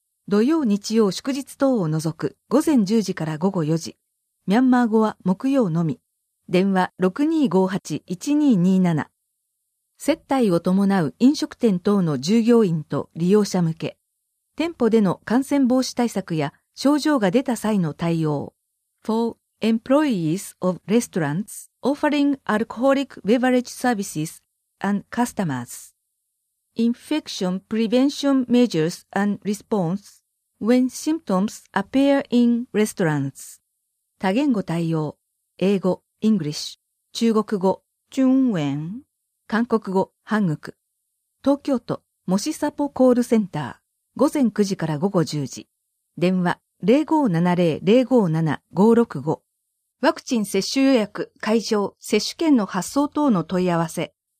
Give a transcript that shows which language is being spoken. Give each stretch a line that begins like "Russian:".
Japanese: 土曜日曜祝日等を除く午前10時から午後4時。ミャンマー語は木曜のみ。電話 6258-1227。接待を伴う飲食店等の従業員と利用者向け、店舗での感染防止対策や症状が出た際の対応。
English: For employees of restaurants offering alcoholic beverage services and customers. Infection prevention measures and response when symptoms appear in restaurants.
Japanese: 多言語対応、英語、English、中国語、中文、韓国語、韓国。東京都、模試サポコールセンター午前9時から午後10時電話0570-057-565ワクチン接種予約、会場、接種券の発送等の問い合わせ